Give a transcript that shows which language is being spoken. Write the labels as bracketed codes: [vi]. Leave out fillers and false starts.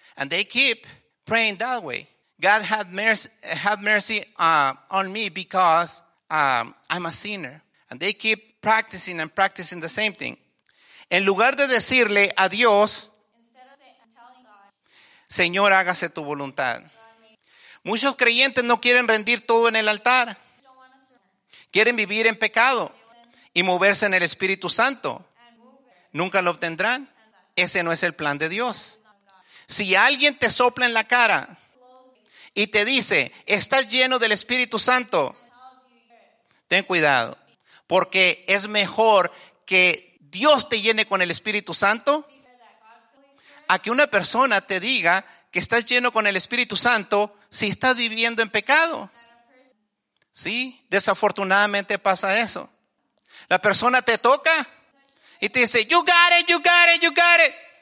[en] And they keep praying that way. God have mercy on me because I'm a sinner. And they keep practicing the same thing. [es] En lugar de decirle a Dios, Señor, hágase tu voluntad. Muchos creyentes no quieren rendir todo en el altar. Quieren vivir en pecado y moverse en el Espíritu Santo. Nunca lo obtendrán. Ese no es el plan de Dios. Si alguien te sopla en la cara y te dice, estás lleno del Espíritu Santo, ten cuidado, porque es mejor que Dios te llene con el Espíritu Santo a que una persona te diga que estás lleno con el Espíritu Santo si estás viviendo en pecado. Sí, desafortunadamente pasa eso. La persona te toca y te dice, [en] you got it, you got it, you got it.